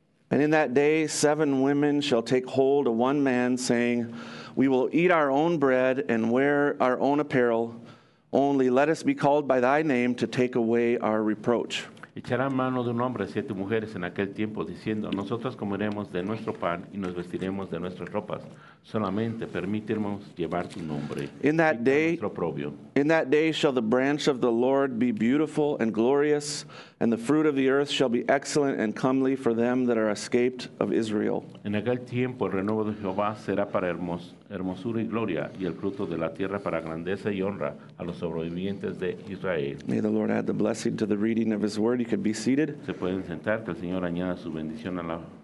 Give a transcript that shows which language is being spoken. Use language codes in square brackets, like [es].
[en] And in that day, seven women shall take hold of one man, saying, "We will eat our own bread and wear our own apparel. Only let us be called by thy name to take away our reproach." [es] Echarán mano de un hombre siete mujeres en aquel tiempo, diciendo, nosotros comeremos de nuestro pan y nos vestiremos de nuestras ropas. Solamente permitirnos llevar tu nombre. [en] In that day shall the branch of the Lord be beautiful and glorious, and the fruit of the earth shall be excellent and comely for them that are escaped of Israel. [es] En aquel tiempo el renuevo de Jehová será para hermosura y gloria, y el fruto de la tierra para grandeza y honra a los sobrevivientes de Israel. [en] May the Lord add the blessing to the reading of his word. You could be seated. [es] Se pueden sentar, que el Señor añada su bendición a la...